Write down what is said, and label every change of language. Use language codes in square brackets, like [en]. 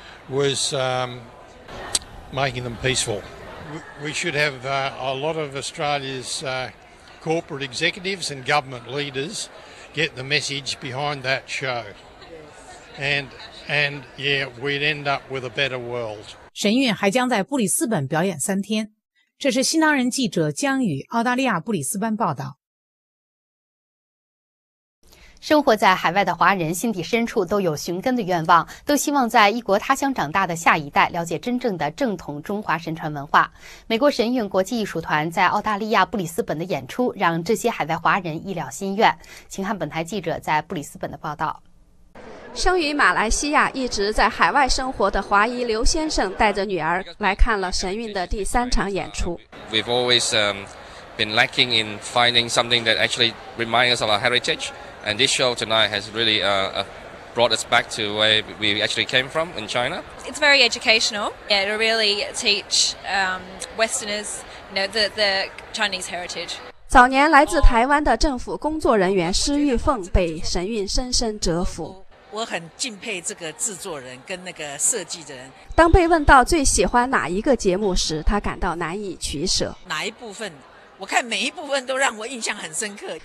[en] Was making them peaceful. We should have a lot of Australia's corporate executives and government leaders get the message behind that show. And yeah, we'd end up with a better world. [zh] 神韵还将在布里斯本表演三天。这是新唐人记者江宇澳大利亚布里斯班报道。生活在海外的华人心底深处都有寻根的愿望，都希望在异国他乡长大的下一代了解真正的正统中华神传文化。美国神韵国际艺术团在澳大利亚布里斯本的演出让这些海外华人一了心愿。请看本台记者在布里斯本的报道。生于马来西亚一直在海外生活的华裔刘先生带着女儿来看了神韵的第三场演出。 [en] We've always been lacking in finding something that actually reminds us of our heritage. And this show tonight has really brought us back to where we actually came from in China. It's very educational. Yeah, it'll really teach Westerners, you know, the Chinese heritage. [zh] 早年来自台湾的政府工作人员施玉凤被神韵深深折服。我很敬佩这个制作人跟那个设计的人。当被问到最喜欢哪一个节目时，他感到难以取舍。哪一部分？我看每一部分都让我印象很深刻。